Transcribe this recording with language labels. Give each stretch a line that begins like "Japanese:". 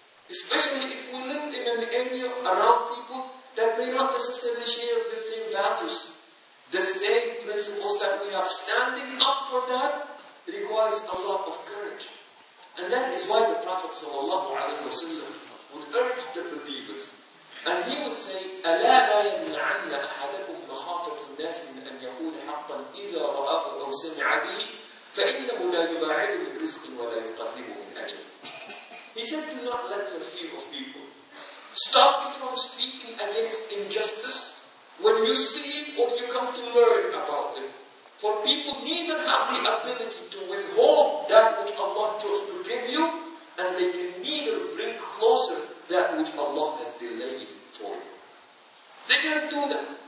English: Especially if we live in an area around people that may not necessarily share the same values. The same principles that we have, standing up for that requires a lot of courage. And that is why the Prophet ﷺ would urge the believers. And he would say,
Arabic: أَلَا لَا يَمْنَعَنَّ أَحَدَكُمْ مَخَافَةُ النَّاسِ مِنْ أَنْ يَقُولَ حَقًّا إِذَا رَآهُ أَوْ سَمِعَ بِهِ فَإِنَّهُ لَا يُبَاعِدُ مِنْ رِزْقٍ وَلَا يُقَدِّمُ مِنْ أَجَلٍ.
English: He said, do not let your fear of people stop you from speaking against injustice when you see it or you come to learn about it. For people neither have the ability to withhold that which Allah chose to give you, and they can neither bring closer that which Allah has delayed for you. They can't do that.